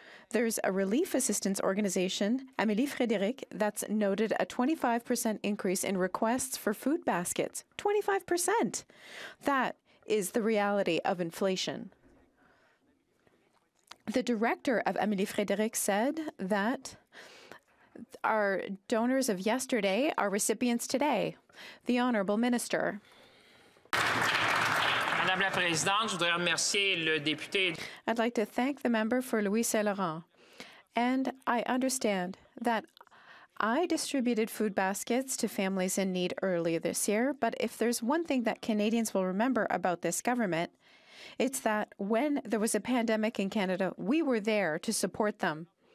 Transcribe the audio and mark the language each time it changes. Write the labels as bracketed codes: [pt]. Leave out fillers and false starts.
[en] There's a relief assistance organization, Amélie Frédéric, that's noted a 25% increase in requests for food baskets. 25%! That is the reality of inflation. The director of Amélie Frédéric said that our donors of yesterday are recipients today. The Honorable Minister. [fr] Madame la Présidente, je voudrais remercier le député. [en] I'd like to thank the member for Louis-Saint-Laurent. And I understand that I distributed food baskets to families in need earlier this year, but if there's one thing that Canadians will remember about this government, it's that when there was a pandemic in Canada, we were there to support them.